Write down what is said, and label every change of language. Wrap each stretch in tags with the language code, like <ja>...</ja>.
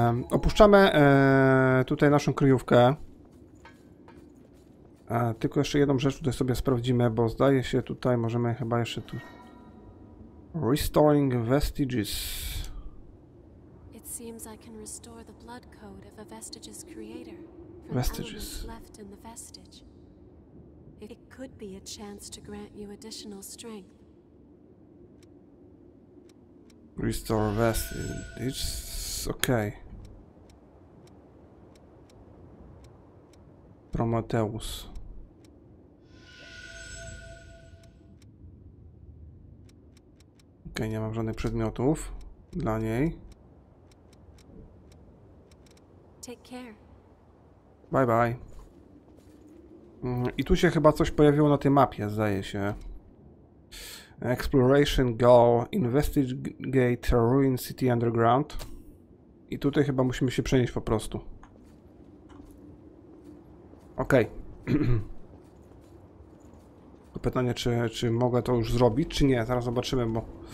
<pl>Opuszczamy tutaj naszą kryjówkę. Tylko jeszcze jedną rzecz tutaj sobie sprawdzimy, bo zdaje się tutaj możemy chyba jeszcze tu...</pl> <en>Restoring Vestiges. It seems I can restore the blood code of a Vestiges creator. Vestiges. Left in the vestige. It could be a chance to grant you additional strength. Restore vestiges. Okay. Prometheus.</en> <pl>Okay, nie mam żadnych przedmiotów dla niej.</pl> <en>Take care. Bye bye.</en> <pl>I tu się chyba coś pojawiło na tej mapie, zdaje się.</pl> <en>Exploration goal, investigate ruined city underground.</en> <pl>I tutaj chyba musimy się przenieść po prostu.</pl> <en>Okej. Okay.</en> <pl>Pytanie, czy mogę to już zrobić, czy nie. Zaraz zobaczymy, bo...</pl>